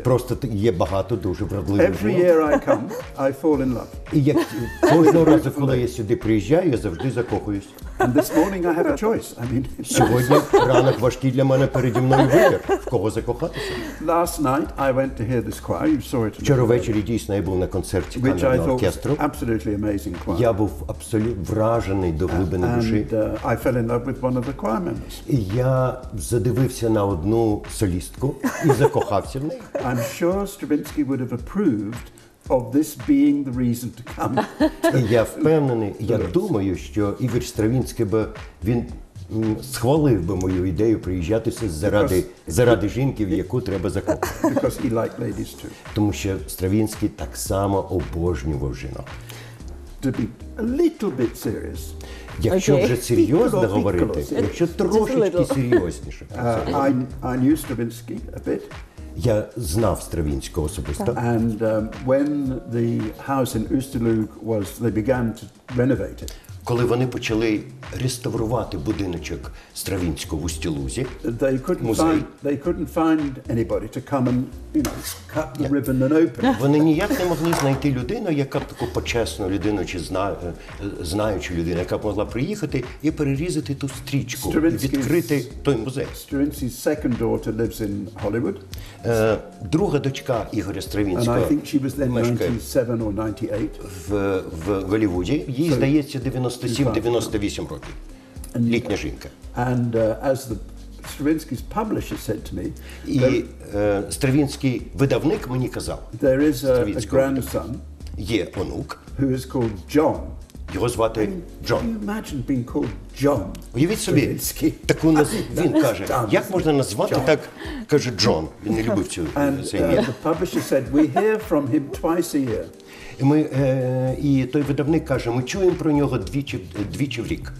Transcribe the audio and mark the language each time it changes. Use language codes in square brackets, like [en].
[uk] Просто є багато дуже вродливих. [en] Every year I come, I fall in love. [uk] І як кожного разу, коли я сюди приїжджаю, я завжди закохуюсь. [en] And this morning I have a choice. I mean, [uk] сьогодні ранок важкий для мене, переді мною вибір, в кого закохатися. [en] Last night I went to hear this choir. You saw it. [uk] Вчора ввечері дійсно я був на концерті камерного оркестру. [en] Absolutely amazing choir. [uk] Я був абсолютно вражений до глибини душі. [en] I fell in love with one of the choir members. [uk] І я задивився на одну солістку і закохався в неї. [en] I'm sure Stravinsky would have approved of this being the reason to come. [uk] Я впевнений, я думаю, що Ігор Стравінський би, він схвалив би мою ідею приїжджатися заради жінки, в яку треба закохатися. [en] Because he liked ladies too. [uk] Тому що Стравінський так само обожнював жінок. [en] To be a little bit serious. [uk] Якщо вже серйозно говорити, якщо трошечки серйозніше. [en] I knew Stravinsky a bit. [uk] Я знав Стравінського особисто. [en] And when the house in Oosterloo was, they began to renovate it. [uk] Коли вони почали реставрувати будиночок Стравінського в Устілузі, [en] they couldn't find anybody to come and, you know, cut the ribbon and open. [uk] Вони ніяк не могли знайти людину, яка б таку почесну людину чи знаючу людину, яка б могла приїхати і перерізати ту стрічку, відкрити той музей. [en] Stravinsky's second daughter lives in Hollywood. [uk] Друга дочка Ігоря Стравінського. [en] And I think she was then 97 or 98. [uk] В Голлівуді. Їй здається 97-98 років. Літня жінка. [en] And as the Stravinsky's publisher said to me, [uk] і Стравінський видавник мені казав. [en] There is a grandson. [uk] Є онук. [en] Who is called John. [uk] Його звати Джон. [en] Can you imagine being called John? [uk] Уявіть собі, таку він каже, як можна назвати так, каже Джон. Він не любив цю ім'я. [en] The publisher said, we hear from him twice a year. [uk] І той видавник каже, ми чуємо про нього двічі в рік.